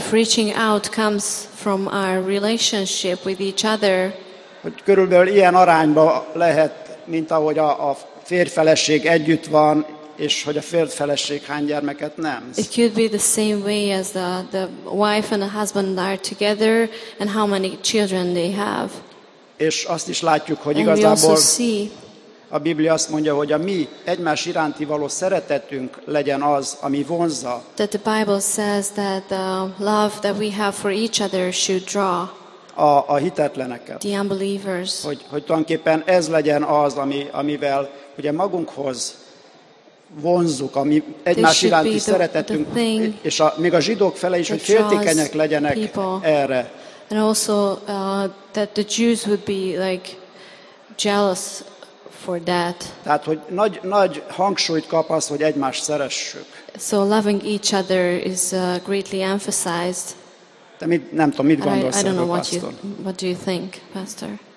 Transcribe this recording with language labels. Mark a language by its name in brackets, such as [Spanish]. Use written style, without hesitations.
[English] If reaching out comes from our relationship with each other, [Hungarian] hogy körülbelül ilyen arányba lehet, mint ahogy a férfeleség együtt van, és hogy a férfeleség hány gyermeket nem. [English] It could be the same way as the wife and the husband are together, and how many children they have. [Hungarian] És azt is látjuk, hogy igazából a Biblia azt mondja, hogy a mi egymás iránti való szeretetünk legyen az, ami vonzza. [English] That the Bible says that the love that we have for each other should draw [Hungarian] a hitetleneket. [English] The unbelievers. [Hungarian] Hogy tulajdonképpen ez legyen az, amivel ugye magunkhoz vonzuk, ami egymás iránti szeretetünk, és a, még a zsidók fele is, hogy féltékenyek legyenek erre. [English] And also that the Jews would be like jealous for that. [Hungarian] Tehát hogy nagy hangsúlyt kap az, hogy egymást szeressük. [English] So loving each other is greatly emphasized. [Hungarian] De mit, nem tudom, mit gondolsz, [English] pastor? I don't know what do you think, pastor?